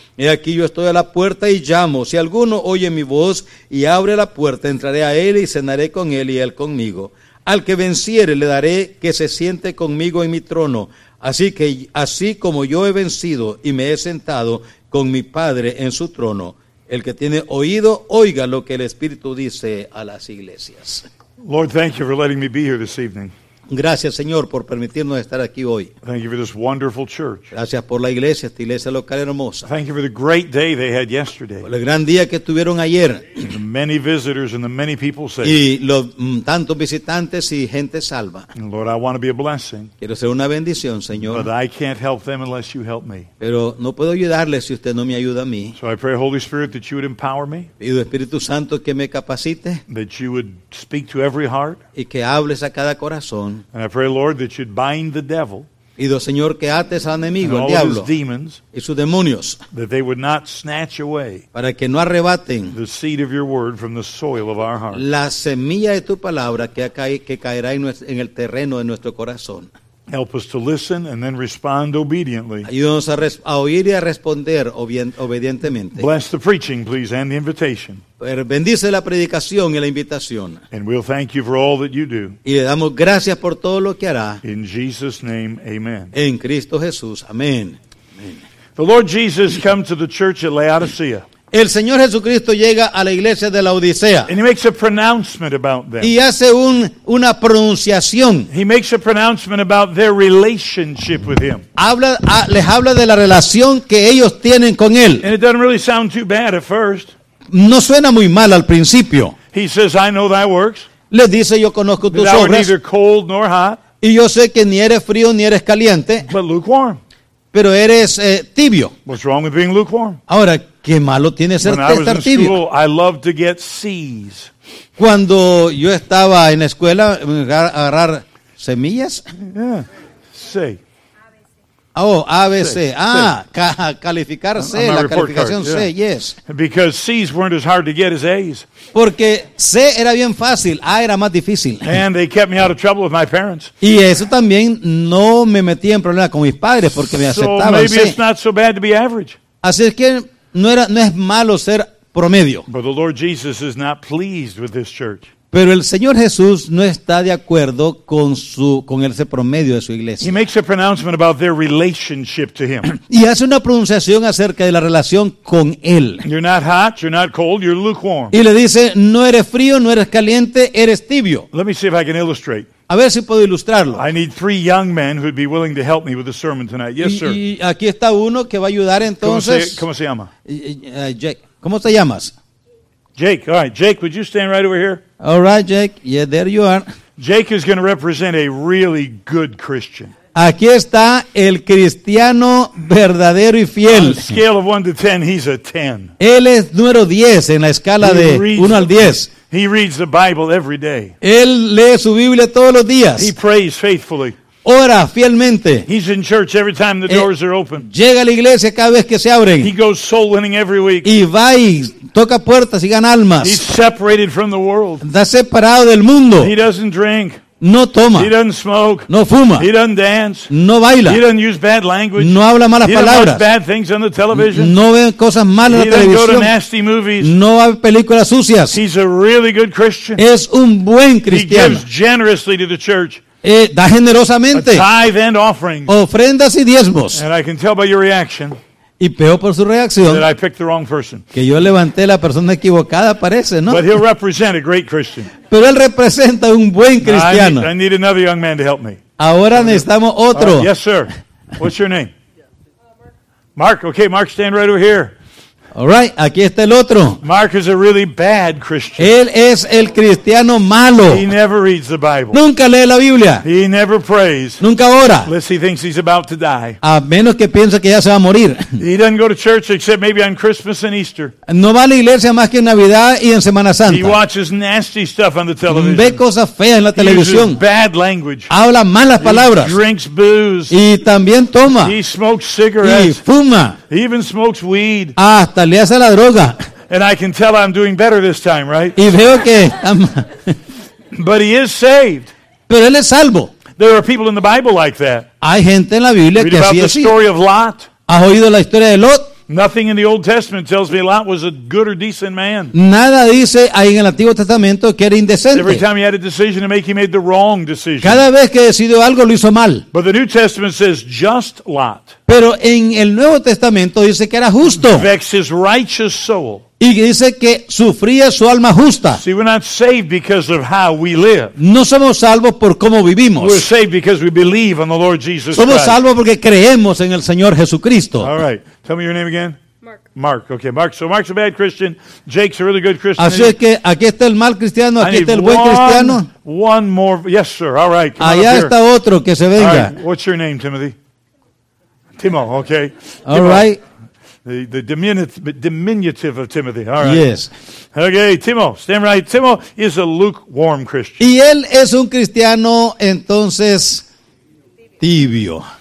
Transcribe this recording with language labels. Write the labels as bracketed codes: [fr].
[es] He aquí yo estoy a la puerta y llamo. Si alguno oye mi voz y abre la puerta, entraré a él y cenaré con él y él conmigo. Al que venciere le daré que se siente conmigo en mi trono, Así como yo he vencido y me he sentado con mi Padre en su trono, el que tiene oído, oiga lo que el Espíritu dice a las iglesias. [en] Lord, thank you for letting me be here this evening. [es] Gracias, Señor, por permitirnos estar aquí hoy. [en] Thank you for this wonderful church. [es] Gracias por la iglesia, esta iglesia local hermosa. [en] Thank you for the great day they had yesterday. [es] Por el gran día que tuvieron ayer. [en] The many visitors and the many people saved. [es] Y los tantos visitantes y gente salva. [en] Lord, I want to be a blessing. [es] Quiero ser una bendición, Señor. [en] But I can't help them unless you help me. [es] Pero no puedo ayudarles si usted no me ayuda a mí. [en] So I pray, Holy Spirit, that you would empower me. [es] Pido Espíritu Santo que me capacite. [en] That you would speak to every heart. [es] Y que hables a cada corazón. [en] And I pray, Lord, that you'd bind the devil. [es] Pido, Señor, que ates al enemigo, [en] and [es] el diablo, [en] all of his demons. [es] Y sus demonios, [en] that they would not snatch away. [es] Para que no arrebaten. [en] The seed of your word from the soil of our heart. [es] La semilla de tu palabra que caerá en el terreno de nuestro corazón. [en] Help us to listen and then respond obediently. [es] Ayúdanos a oír y a responder obedientemente. [en] Bless the preaching, please, and the invitation. [es] Bendice la predicación y la invitación. [en] And we'll thank you for all that you do. [es] Y le damos gracias por todo lo que hará. [en] In Jesus' name, amen. [es] En Cristo Jesús, amén. [en] The Lord Jesus come to the church at Laodicea. [es] El Señor Jesucristo llega a la iglesia de la Odisea. [en] And he makes a pronouncement about them. [es] Y hace una pronunciación. [en] He makes a pronouncement about their relationship with him. [es] Les habla de la relación que ellos tienen con él. [en] And it doesn't really sound too bad at first. [es] No suena muy mal al principio. [en] He says, I know thy works. [es] Les dice, yo conozco tus obras. [en] That thou art neither cold nor hot. [es] Y yo sé que ni eres frío ni eres caliente. [en] But lukewarm. [es] Pero eres tibio. [en] What's wrong with being lukewarm? [es] Ahora, ¿qué malo tiene ser estar tibio? [en] When I was in school, I loved to get C's. [es] Cuando yo estaba en la escuela, agarrar semillas. [en] Yeah. C. Oh, ABC. C. [es] Ah, calificar C, la calificación [en] card, yeah. C, yes. Because C's weren't as hard to get as A's. [es] Porque C era bien fácil, A era más difícil. [en] And they kept me out of trouble with my parents. [es] Y eso también no me metía en problemas con mis padres porque me aceptaban. [en] So maybe it's not so bad to be average. [es] Así es que no es malo ser promedio. [en] But the Lord Jesus is not pleased with this church. [es] Pero el Señor Jesús no está de acuerdo con ese promedio de su iglesia. [en] He makes a pronouncement about their relationship to him. [es] Y hace una pronunciación acerca de la relación con él. [en] You're not hot, you're not cold, you're lukewarm. [es] Y le dice, no eres frío, no eres caliente, eres tibio. [en] Let me see if I can illustrate. [es] A ver si puedo ilustrarlo. [en] I need three young men who'd be willing to help me with the sermon tonight. Yes, sir. [es] Y aquí está uno que va a ayudar entonces. ¿Cómo se llama? Jake. ¿Cómo te llamas? [en] Jake. All right, Jake, would you stand right over here? All right, Jake. Yeah, there you are. Jake is going to represent a really good Christian. [es] Aquí está el cristiano verdadero y fiel. [en] On a scale of 1 to 10, he's a 10. [es] Él es número 10 en la escala de 1 al 10. [en] He reads the Bible every day. [es] Él lee su Biblia todos los días. [en] He prays faithfully. [es] Ora fielmente. [en] He's in church every time the doors are open. [es] Llega a la iglesia cada vez que se abren. [en] He goes soul winning every week. [es] Y va y toca puertas y gana almas. [en] He's separated from the world. [es] Está separado del mundo. [en] He doesn't drink. [es] No toma. [en] He doesn't smoke. [es] No fuma. [en] He doesn't dance. [es] No baila. [en] He doesn't use bad language. [es] No habla malas palabras. [en] He doesn't watch bad things on the television. [es] No ve cosas malas en la televisión. [en] He doesn't go to nasty movies. [es] No ve películas sucias. [en] He's a really good Christian. [es] Es un buen cristiano. [en] He gives generously to the church. [es] Da generosamente. [en] A tithe and offerings. [es] Ofrendas y diezmos. [en] And I can tell by your reaction. [es] Y veo por su reacción [en] that I picked the wrong person. [es] Que yo levanté la persona equivocada, parece, ¿no? [en] But he'll represent a great Christian. [es] Pero él representa un buen cristiano. [en] I need another young man to help me. [es] Ahora necesitamos otro. [en] Yes, sir. What's your name? Mark. Okay, Mark, stand right over here. All right, [es] aquí está el otro. [en] Mark is a really bad Christian. [es] Él es el cristiano malo. [en] He never reads the Bible. [es] Nunca lee la Biblia. [en] He never prays. [es] Nunca ora. [en] Unless he thinks he's about to die. [es] A menos que piensa que ya se va a morir. [en] He doesn't go to church except maybe on Christmas and Easter. [es] No va a la iglesia más que en Navidad y en Semana Santa. [en] He watches nasty stuff on the television. [es] Ve cosas feas en la televisión. [en] He uses bad language. [es] Habla malas palabras. [en] He drinks booze. [es] Y también toma. [en] He smokes cigarettes. [es] Y fuma. [en] He even smokes weed. [es] Hasta le hace la droga. [en] And I can tell I'm doing better this time, right? [es] Y veo que [en] but he is saved. [es] Pero él es salvo. [en] There are people in the Bible like that. [es] Hay gente en la Biblia [en] read [es] que [en] about [es] así [en] the [es] es [en] story [es] así [en] of Lot. [es] ¿Has oído la historia de Lot? [en] Nothing in the Old Testament tells me Lot was a good or decent man. [es] Nada dice ahí en el Antiguo Testamento que era indecente. [en] Every time he had a decision to make, he made the wrong decision. [es] Cada vez que decidió algo, lo hizo mal. [en] But the New Testament says just Lot. [es] Pero en el Nuevo Testamento dice que era justo. [en] Vexed his righteous soul. [es] Y dice que sufría su alma justa. [en] See, we're not saved because of how we live. [es] No somos salvos por cómo vivimos. [en] We're saved because we believe on the Lord Jesus Christ. [es] Somos salvos porque creemos en el Señor Jesucristo. [en] All right. Tell me your name again. Mark. Mark. Okay, Mark. So Mark's a bad Christian. Jake's a really good Christian. [es] Así es que aquí está el mal cristiano, aquí está el buen cristiano. [en] One more. Yes, sir. All right. Come [es] allá está [en] here. [es] Otro que se venga. [en] All right. What's your name, Timothy? Timo. Okay. Give all right. Up. The diminutive of Timothy. All right. Yes. Okay, Timo, stand right. Timo is a lukewarm Christian. [es] Y él es un cristiano, entonces, tibio.